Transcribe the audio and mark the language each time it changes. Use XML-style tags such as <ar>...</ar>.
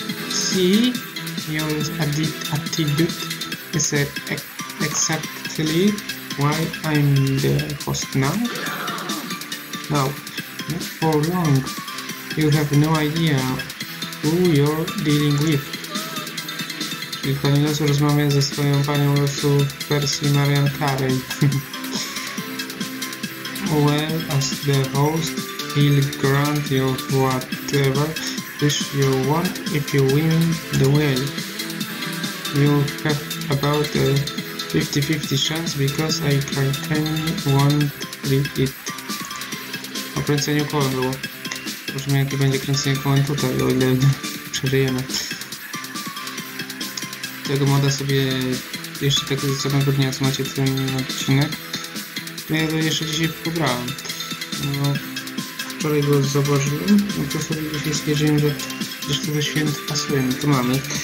<en>See, your attitude is exactly why I'm the host now. No, not for long. You have no idea who you're dealing with.</en> <pl>I pani losu rozmawia ze swoją panią losu w wersji Marian Carey.</pl> <en>Well, as the host, he'll grant you whatever wish you want if you win the wheel. You have about a 50-50 chance because I certainly won't beat it.</en> <pl>O kręceniu kołem było. Zobaczmy, jakie będzie kręcenie kołem tutaj, o ile przeżyjemy. Tego moda sobie jeszcze tak z samego dnia, co macie ten odcinek, to ja to jeszcze dzisiaj pobrałem. No, wczoraj go zauważyłem, no to sobie właśnie stwierdziłem, że jeszcze do święt pasuje, no to mamy.</pl>